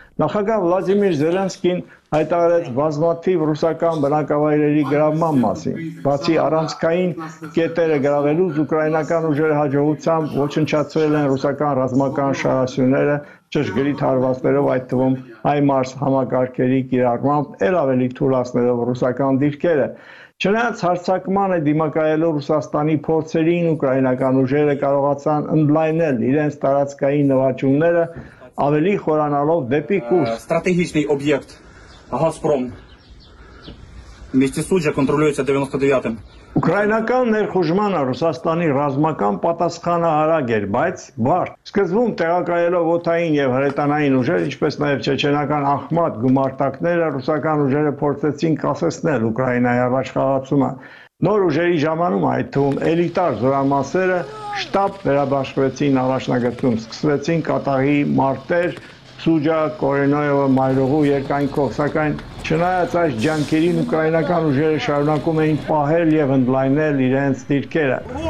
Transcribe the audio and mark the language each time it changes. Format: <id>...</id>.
<hy>Նախագահ Վլադիմիր Զելենսկին հայտարարեց բազմաթիվ ռուսական բնակավայրերի գրավման մասին։ Բացի առանցքային կետերը գրավելուց, ուկրաինական ուժերի հաջողությամբ ոչնչացրել են ռուսական ռազմական շարասյուները ճշգրիտ հարվածներով, այդ թվում հայ-մարս համակարգերի կիրառմամբ, էլ ավելի թուլացնելով ռուսական դիրքերը։ Չնայած հարձակմանը դիմակայելով Ռուսաստանի փորձերին, ուկրաինական ուժերը կարողացան ընդլայնել իրենց տարածքային նվաճումները, ավելի խորանալով դեպի Կուրսկ։ Ստրատեգիկ օբյեկտ</hy> <ru>Газпром вместе с Суджа контролируется 99-м.</ru> <hy>Ուկրաինական ներխուժմանը Ռուսաստանի ռազմական պատասխանը արագ էր, բայց բարդ։ Սկզբում տեղակայելով օթային և հրետանային ուժեր, ինչպես նաև չեչենական ախմատ գումարտակները, ռուսական ուժերը փորձեցին կասեցնել Ուկրաինայի առաջխաղացումը։ Նոր ուժերի ժամանում, այդ թվում էլիտար զորամասերը, շտապ վերաբաշխվեցին առաջնագծում, սկսվեցին կատաղի մարտեր Սուջա, Կորենոևը, Մայրուղու երկայնքով, սակայն չնայած այս ջանքերին ուկրաինական ուժերը շարունակում էին պահել և ընդլայնել իրենց դիրքերը։</hy>